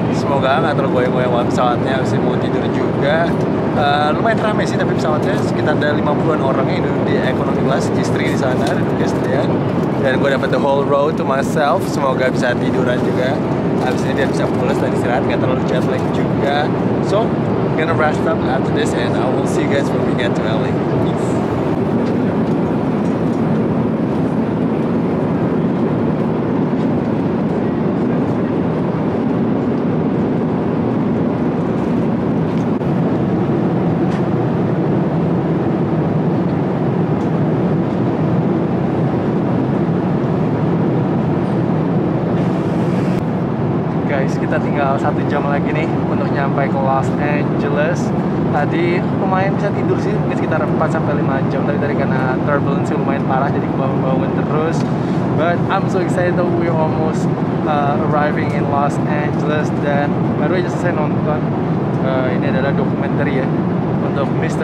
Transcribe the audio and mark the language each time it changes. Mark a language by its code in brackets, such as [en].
[id] Semoga gak terlalu goyang-goyang pesawatnya, abis ini mau tidur juga. Lumayan ramai sih, tapi pesawatnya sekitar ada 50-an orang yang duduk di economy class. Istri di sana, duduk istrian. Dan gue dapat [en] the whole row to myself, [id] semoga bisa tiduran juga. Abis ini dia bisa pulas dan istirahat, gak terlalu jet lag juga. [en] So, gonna rest up after this and I will see you guys when we get to LA. [id] Tinggal 1 jam lagi nih untuk nyampe ke Los Angeles. Tadi lumayan bisa tidur sih, mungkin sekitar 4-5 jam. Tapi tadi karena turbulensi lumayan parah, jadi kebangun-bangun terus. [en] But I'm so excited that we almost arriving in Los Angeles. [id] Dan baru aja saya nonton ini adalah dokumenter ya untuk Mr.